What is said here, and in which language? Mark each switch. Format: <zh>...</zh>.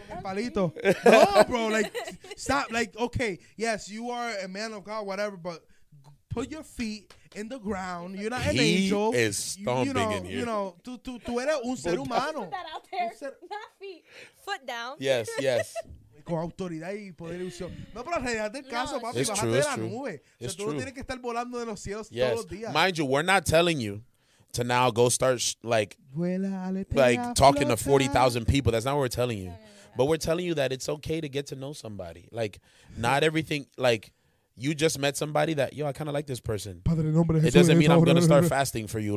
<es>Palito.</es> <en>No, bro. Like, stop. Like, okay. Yes, you are a man of God, whatever, but put your feet in the ground. You're not an angel. He is stomping you know, in here. You know,</en> <es>tú eres un ser humano.</es> <en>Put that out there. Not feet. Foot down. Yes, yes.</en> <es>con autoridad y poder ilusión. No, pero la realidad del caso, papi, bajate de la nube. O sea, tú no tienes que estar volando de los cielos todos los días.</es> <en>Mind you, we're not telling you to now go start like talking to 40,000 people. That's not what we're telling you. But we're telling you that it's okay to get to know somebody. Like, not everything, like, you just met somebody that, yo, I kind of like this person.</en> <es>Padre, nombre,</es> <en>it doesn't mean I'm going to start fasting for you.</en>